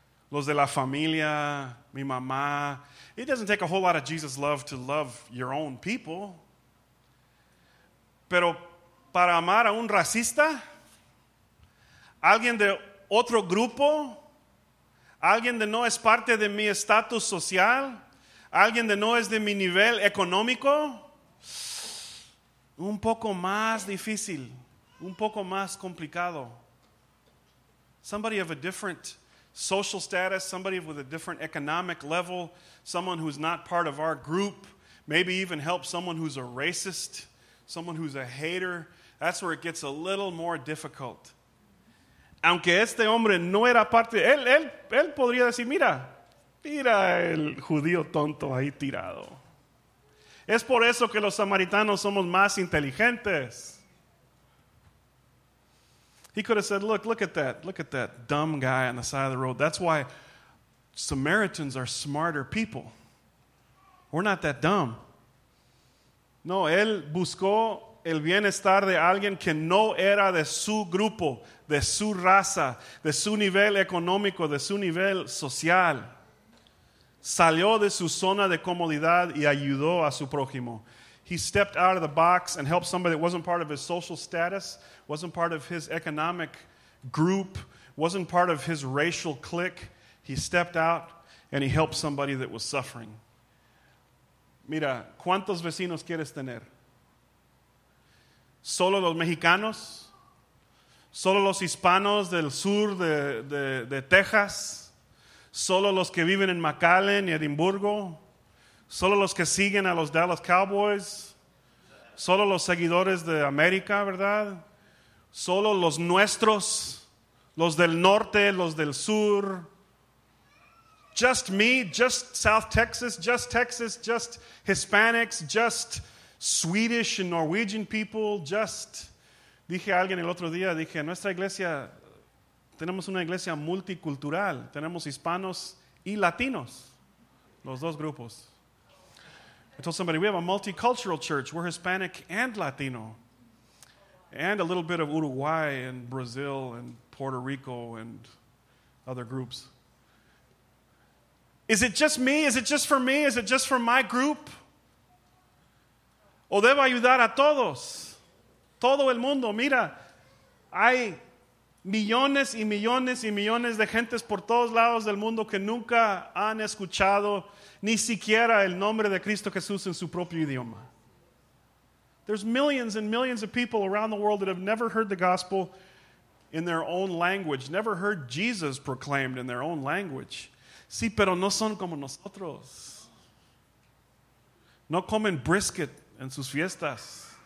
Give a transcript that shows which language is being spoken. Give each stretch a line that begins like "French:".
Spanish: Los de la familia, mi mamá.
English: It doesn't take a whole lot of Jesus' love to love your own people.
Spanish: Pero para amar a un racista, alguien de otro grupo, alguien de no es parte de mi estatus social, alguien de no es de mi nivel económico, un poco más difícil, un poco más complicado.
English: Somebody of a different social status, somebody with a different economic level, someone who's not part of our group, maybe even help someone who's a racist, someone who's a hater. That's where it gets a little more difficult.
Spanish: Aunque este hombre no era parte, él podría decir, mira el judío tonto ahí tirado. Es por eso que los samaritanos somos más inteligentes.
English: He could have said, look at that dumb guy on the side of the road. That's why Samaritans are smarter people. We're not that dumb.
Spanish: No, él buscó el bienestar de alguien que no era de su grupo, de su raza, de su nivel económico, de su nivel social. Salió de su zona de comodidad y ayudó a su prójimo.
English: He stepped out of the box and helped somebody that wasn't part of his social status, wasn't part of his economic group, wasn't part of his racial clique. He stepped out and he helped somebody that was suffering.
Spanish: Mira, ¿cuántos vecinos quieres tener? ¿Solo los mexicanos? ¿Solo los hispanos del sur de Texas? ¿Solo los que viven en McAllen y Edimburgo? ¿Solo los que siguen a los Dallas Cowboys? Solo los seguidores de América, ¿verdad? Solo los nuestros, los del norte, los del sur.
English: Just me, just South Texas, just Hispanics, just Swedish and Norwegian people, just...
Spanish: Dije a alguien el otro día, dije, nuestra iglesia, tenemos una iglesia multicultural, tenemos hispanos y latinos, los dos grupos.
English: I told somebody, we have a multicultural church, we're Hispanic and Latino, and a little bit of Uruguay and Brazil and Puerto Rico and other groups. Is it just me? Is it just for me? Is it just for my group?
Spanish: ¿O debo ayudar a todos? Todo el mundo, mira, hay millones y millones y millones de gentes por todos lados del mundo que nunca han escuchado ni siquiera el nombre de Cristo Jesús en su propio idioma.
English: There's millions and millions of people around the world that have never heard the gospel in their own language, never heard Jesus proclaimed in their own language.
Spanish: Sí, pero no son como nosotros. No comen brisket en sus fiestas.